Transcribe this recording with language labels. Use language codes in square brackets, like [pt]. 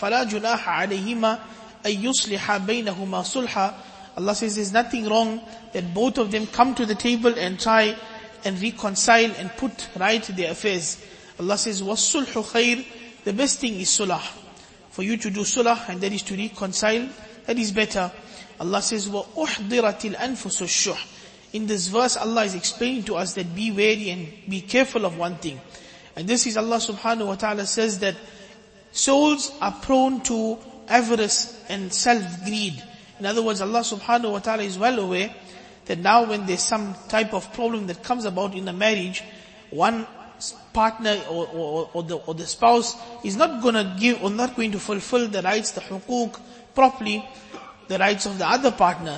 [ar] فَلَا جُنَاحَ عَلَيْهِمَا أَن يُصْلِحَ بَيْنَهُمَا صُلْحًا. [en] Allah says there's nothing wrong that both of them come to the table and try and reconcile and put right their affairs. Allah says, [ar] وَالصُلْحُ خَيْرٌ, [en] the best thing is sulah. For you to do sulah and that is to reconcile, that is better. [ar] Allah says, وَأُحْضِرَتِ الْأَنفُسُ الشُّحْ. [en] In this verse, Allah is explaining to us that be wary and be careful of one thing. And this is Allah subhanahu wa ta'ala says that souls are prone to avarice and self-greed. In other words, Allah subhanahu wa ta'ala is well aware that now when there's some type of problem that comes about in a marriage, one partner or the spouse is not going to give or not going to fulfill the rights, the huquq, properly, the rights of the other partner.